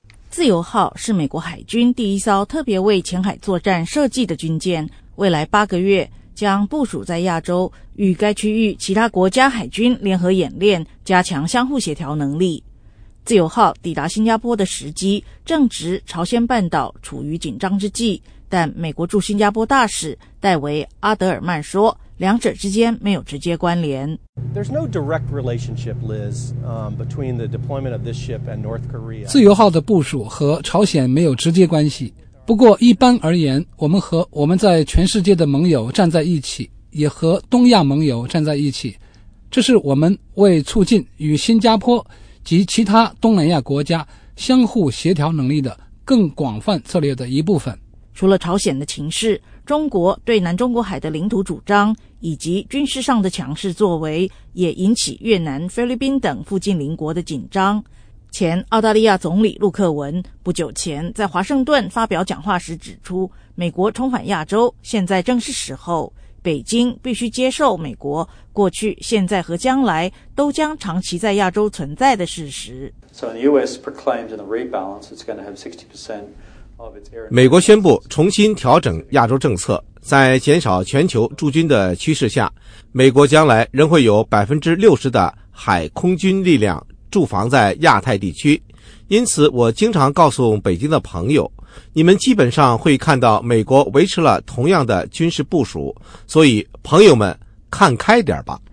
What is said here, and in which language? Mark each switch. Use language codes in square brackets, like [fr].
[zh] 自由号是美国海军第一艘特别为前海作战设计的军舰，未来八个月将部署在亚洲，与该区域其他国家海军联合演练，加强相互协调能力。自由号抵达新加坡的时机正值朝鲜半岛处于紧张之际，但美国驻新加坡大使戴维·阿德尔曼说，两者之间没有直接关联。 [en] There's no direct relationship, Liz, between the deployment of this ship and North Korea. [zh] 自由号的部署和朝鲜没有直接关系。不过一般而言，我们和我们在全世界的盟友站在一起，也和东亚盟友站在一起。这是我们为促进与新加坡及其他东南亚国家相互协调能力的更广泛策略的一部分。除了朝鲜的情势，中国对南中国海的领土主张以及军事上的强势作为也引起越南、菲律宾等附近邻国的紧张。前澳大利亚总理陆克文不久前在华盛顿发表讲话时指出，美国重返亚洲现在正是时候，北京必须接受美国过去、现在和将来都将长期在亚洲存在的事实。 [en] So the US proclaimed in the rate balance it's going to have 60%。 [zh] 美国宣布重新调整亚洲政策，在减少全球驻军的趋势下，美国将来仍会有 60% 的海空军力量驻防在亚太地区。因此我经常告诉北京的朋友，你们基本上会看到美国维持了同样的军事部署，所以朋友们看开点吧。